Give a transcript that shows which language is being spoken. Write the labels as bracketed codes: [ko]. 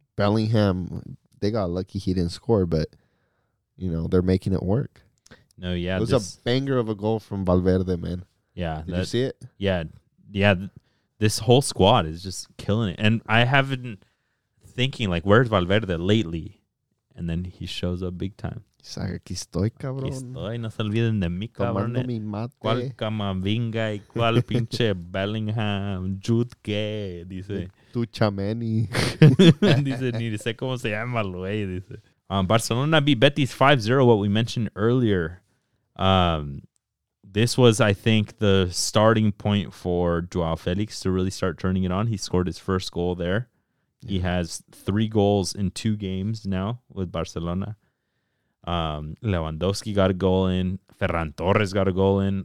[en] Bellingham, they got lucky he didn't score, but, you know, they're making it work. No, yeah. It was a banger of a goal from Valverde, man. Yeah. Did you see it? Yeah. Yeah. This whole squad is just killing it. And I have been thinking, like, where's Valverde lately? And then he shows up big time. He's like, [es] aquí estoy, cabrón. Aquí estoy, no se olviden de mí, cabrón. Tomando mi mate. ¿Cuál Camavinga y cuál pinche Bellingham? Jude Gay, dice. Tu chameni. Dice, ni sé cómo se llama, güey, dice. [en] Barcelona beat Betis 5-0, what we mentioned earlier. This was, I think, the starting point for Joao Felix to really start turning it on. He scored his first goal there. Yeah. He has 3 goals in 2 games now with Barcelona. Lewandowski got a goal in. Ferran Torres got a goal in.